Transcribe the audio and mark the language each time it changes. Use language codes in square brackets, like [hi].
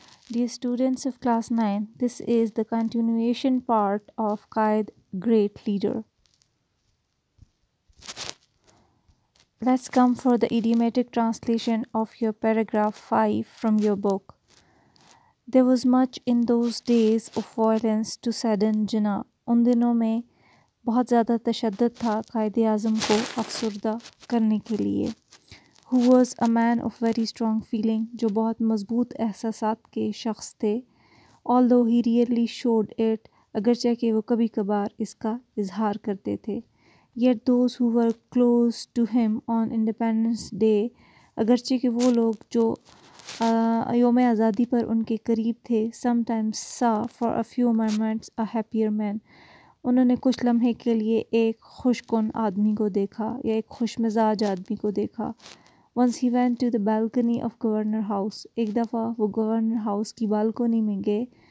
[en] Dear students of class 9, this is the continuation part of Qaid, Great Leader. Let's come for the idiomatic translation of your paragraph 5 from your book. There was much in those days of violence to sadden Jinnah. [ur] Un dinon mein بہت زیادہ تشدد تھا قائد اعظم کو افسردہ کرنے کے لیے. [en] Who was a man of very strong feeling, [ur] جو بہت مضبوط احساسات کے شخص تھے. [en] Although he rarely showed it, [ur] اگرچہ کہ وہ کبھی کبھار اس کا اظہار کرتے تھے. [en] Yet those who were close to him on Independence Day, [ur] اگرچہ کہ وہ لوگ جو یوم آزادی پر ان کے قریب تھے. [en] Sometimes saw for a few moments a happier man, [ur] انہوں نے کچھ لمحے کے لیے ایک خوش کن آدمی کو دیکھا یا ایک خوش مزاج آدمی کو دیکھا. [en] Once he went to the balcony of governor house, [ur] ایک دفعہ وہ گورنر ہاؤس کی بالکونی میں گئے.